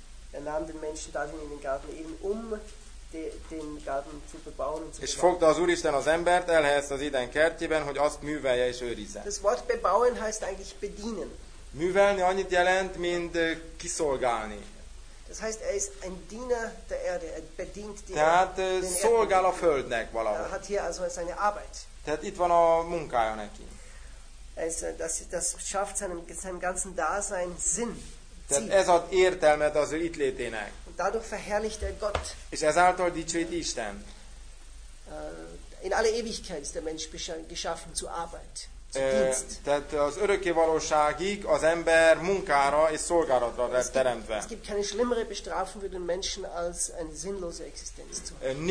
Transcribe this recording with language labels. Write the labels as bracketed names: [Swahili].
[German] Er nahm den Menschen dann in den Garten eben, um den Garten zu bebauen. [Hungarian] És fogta az Úristen az embert, elhelyezte az Éden kertjében, hogy azt művelje és őrizze. [German] Das Wort bebauen heißt eigentlich bedienen. [Hungarian] Művelni annyit jelent, mint kiszolgálni. [German] Das heißt, er ist ein Diener der Erde, er bedient die [Hungarian] Tehát szolgál a földnek valahol. [German] Er hat hier also seine Arbeit. [Hungarian] Tehát itt van a munkája neki. [German] Das schafft seinem ganzen Dasein Sinn. [Hungarian] Tehát ez ad értelmet az ő itt létének. [German] Und dadurch verherrlicht er Gott. [Hungarian] És ezáltal dicsőít Isten. [German] In alle Ewigkeit ist der Mensch geschaffen zu Arbeit, zu Dienst. [Hungarian] Tehát az örökké valóságig az ember munkára és szolgálatra lett teremtve. [German] Es gibt keine schlimmere Bestrafung für den Menschen als eine sinnlose Existenz zu haben.